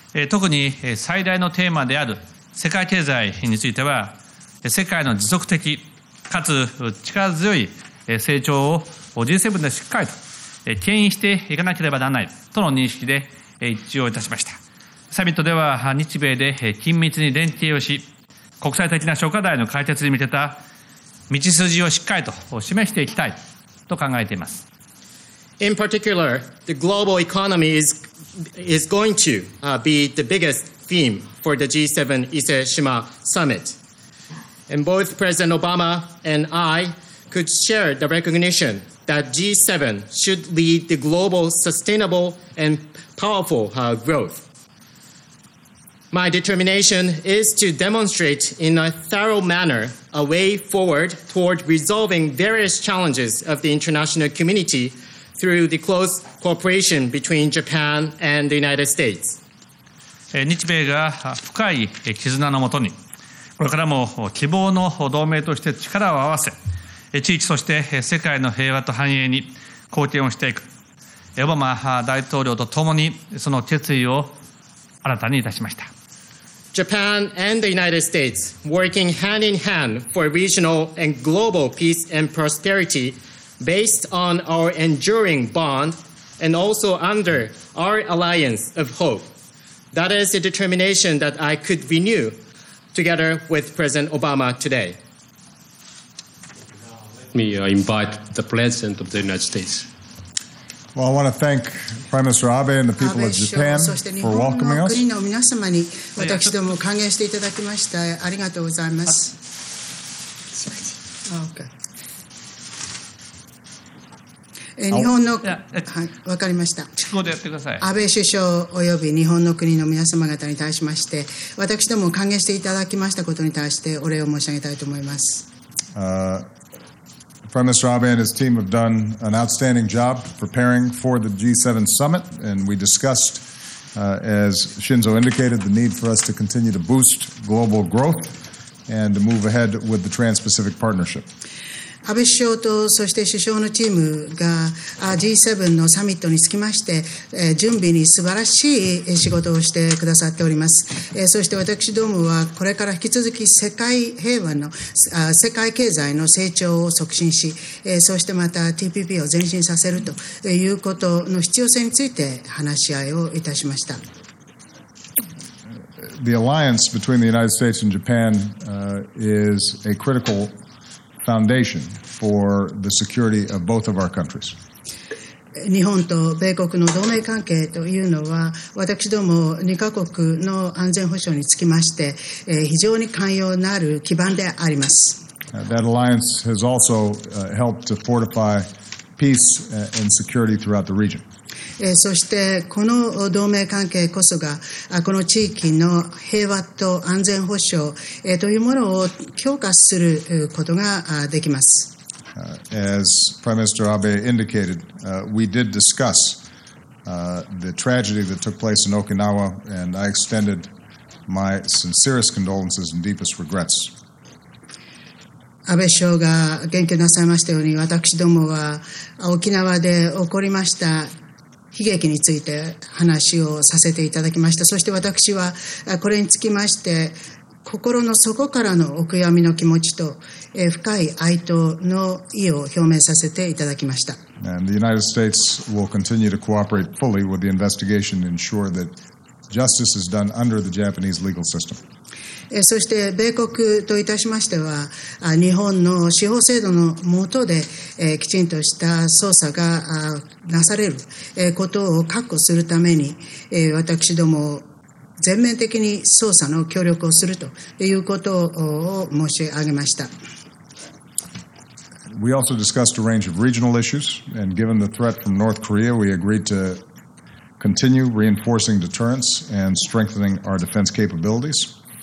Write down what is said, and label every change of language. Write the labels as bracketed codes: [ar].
[ja] 特に最大のテーマである世界経済については、世界の持続的かつ力強い成長を G7 でしっかりと牽引していかなければならないとの認識で一致をいたしました。サミットでは日米で緊密に連携をし、国際的な諸課題の解決に向けた道筋をしっかりと示していきたいと考えています。 [en] In particular, the global economy is going to be the biggest theme for the G7 Ise-Shima Summit. And both President Obama and I could share the recognition that G7 should lead the global sustainable and powerful growth. My determination is to demonstrate in a thorough manner a way forward toward resolving various challenges of the international communityThrough the close cooperation between Japan and the United States. [ja] 日米が深い絆のもとに、これからも希望の同盟として力を合わせ、地域そして世界の平和と繁栄に貢献をしていく。オバマ大統領とともにその決意を新たにいたしました。 [en] Japan and the United States working hand in hand for regional and global peace and prosperityBased on our enduring bond and also under our alliance of hope. That is a determination that I could renew together with President Obama today. Let me invite the President of the United States. Well, I want to thank Prime Minister Abe and the people of Japan for welcoming us. [ja] 日本の国の皆様に私ども歓迎していただきましてありがとうございます。 [en] Okay. [ja] 日本の、はい、分かりました。地方でやってください。安倍首相及び日本の国の皆様方に対しまして、私ども歓迎していただきましたことに対してお礼を申し上げたいと思います。 [en] Prime Minister Abe and his team have done an outstanding job preparing for the G7 summit, and we discussed, as Shinzo indicated, the need for us to continue to boost global growth and to move ahead with the Trans-Pacific Partnership. [ja] 安倍首相とそして首相のチームが G7 のサミットにつきまして準備に素晴らしい仕事をしてくださっております。そして私どもはこれから引き続き世界平和の世界経済の成長を促進し、そしてまた TPP を前進させるということの必要性について話し合いをいたしました。 [en] The alliance between the United States and Japan is a criticalFoundation for the security of both of our countries. [ja] 日本と米国の同盟関係というのは、私ども2カ国の安全保障につきまして、非常に寛容なる基盤であります。 [en] That alliance has also helped to fortify peace and security throughout the region. [ja] そしてこの同盟関係こそが、この地域の平和と安全保障というものを強化することができます。 [en] As Prime Minister Abe indicated, we did discuss the tragedy that took place in Okinawa, and I extended my sincerest condolences and deepest regrets. [ja] 安倍首相が言及なさいましたように、私どもは沖縄で起こりました悲劇について話をさせていただきました。そして私はこれにつきまして、心の底からのお悔やみの気持ちと深い哀悼の意を表明させていただきました。 [en] And the United States will continue to cooperate fully with the investigation to ensure that justice is done under the Japanese legal system. [ja] そして米国といたしましては、日本の司法制度の下で、きちんとした捜査がなされることを確保するために、私ども全面的に捜査の協力をするということを申し上げました。 [en] We also discussed a range of regional issues, and given the threat from North Korea, we agreed to continue reinforcing deterrence and strengthening our defense capabilities.